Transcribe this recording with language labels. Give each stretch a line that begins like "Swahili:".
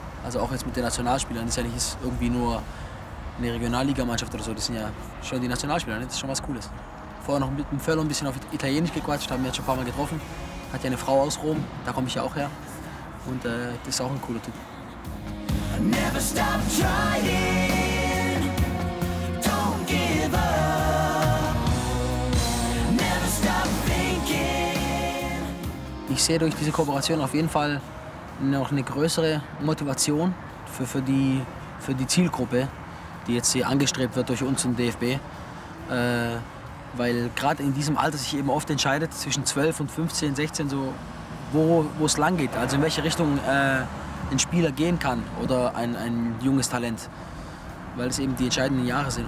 German: Also auch jetzt mit den Nationalspielern, das ist ja nicht irgendwie nur eine Regionalligamannschaft oder so, das sind ja schon die Nationalspieler, das ist schon was Cooles. Vorher noch mit dem Völler ein bisschen auf Italienisch gequatscht, haben wir jetzt schon ein paar Mal getroffen. Hat ja eine Frau aus Rom, da komme ich ja auch her. Und das ist auch ein cooler Typ.
English: Never stop trying, don't give up. Never stop thinking.
German: Ich sehe durch diese Kooperation auf jeden Fall noch eine größere Motivation für die Zielgruppe, die jetzt hier angestrebt wird durch uns im DFB. Weil gerade in diesem Alter sich eben oft entscheidet zwischen 12 und 15, 16, so, wo es lang geht, also in welche Richtung ein Spieler gehen kann oder ein junges Talent, weil es eben die entscheidenden Jahre sind.